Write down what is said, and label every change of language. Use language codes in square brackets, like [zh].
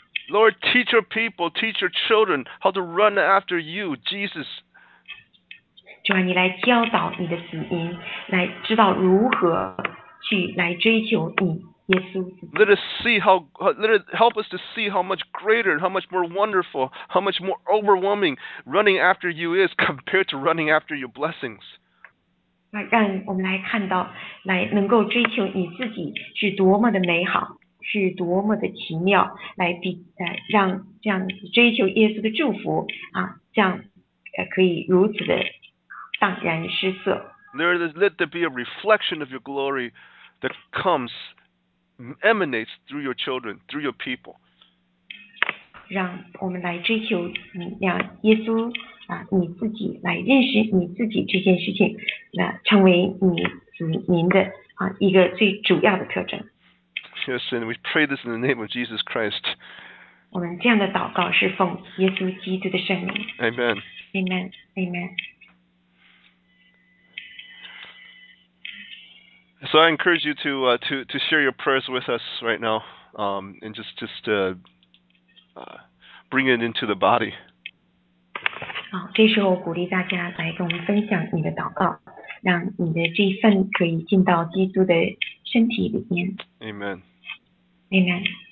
[en] Lord, teach your people, teach your children how to run after you, Jesus. [zh] 主啊，你来教导你的子民，来知道如何去来追求你，耶稣。 [en] Help us to see how much greater, how much more wonderful, how much more overwhelming running after you is compared to running after your blessings. [zh] 让我们来看到，来能够追求你自己是多么的美好。是多么的奇妙，来比让这样追求耶稣的祝福啊，这样可以如此的荡然失色。 [en] Let there be a reflection of your glory that comes, emanates through your children, through your people. [zh] 让我们来追求你，让耶稣你自己来认识你自己这件事情，那成为您的一个最主要的特征。 [en] Yes, and we pray this in the name of Jesus Christ. [zh] 我们这样的祷告是奉耶稣基督的圣名。 [en] Amen. Amen. Amen. So I encourage you to share your prayers with us right now, and just bring it into the body. [zh] 好，这时候鼓励大家来跟我们分享你的祷告，让你的这一份可以进到基督的身体里面。 [en] Amen. Amen.